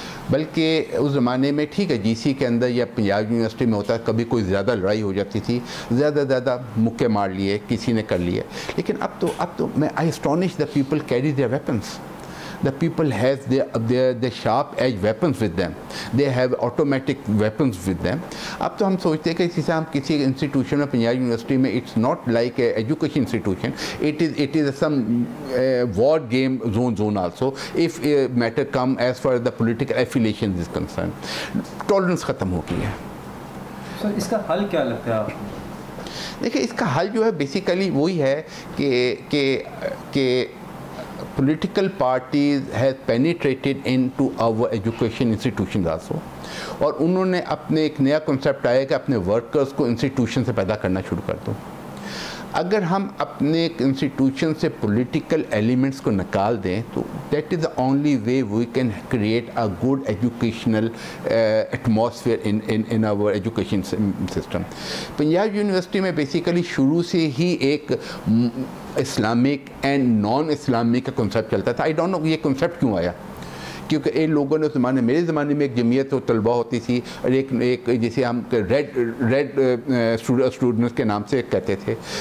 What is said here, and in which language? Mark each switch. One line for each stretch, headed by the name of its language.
Hindi: बल्कि उस ज़माने में ठीक है जीसी के अंदर या पंजाब यूनिवर्सिटी में होता कभी कोई ज़्यादा लड़ाई हो जाती थी, ज़्यादा मुक्के मार लिए किसी ने कर लिए. लेकिन अब तो मैं
English: I astonish the people carry their weapons. The people have their sharp edge weapons with them. They have automatic weapons with them.
Hindi: अब तो हम सोचते हैं कि इसी से हम किसी institution में पंजाब university में
English: it's not like a education institution. It is some war game zone also. If a matter come as far as the political affiliation is concerned, tolerance
Hindi: खत्म हो गई है. सर इसका हल क्या लगता है आपको? देखिए इसका हल जो है basically वही है कि
English: political parties has penetrated into our education institutions also.
Hindi: और उन्होंने अपने एक नया concept आया कि अपने workers को institution से पैदा करना शुरू कर दो. अगर हम अपने institution से political elements को निकाल दें तो
English: that is the only way we can create a good educational atmosphere in our education system.
Hindi: Punjab University में basically शुरू से ही एक इस्लामिक एंड नॉन इस्लामिक का कॉन्सेप्ट चलता था.
English: I don't know
Hindi: ये कॉन्सेप्ट क्यों आया, क्योंकि इन लोगों ने उस ज़माने मेरे ज़माने में एक जमीयत और तलबा होती थी और एक जिसे हम रेड स्टूडेंट्स के नाम से कहते थे.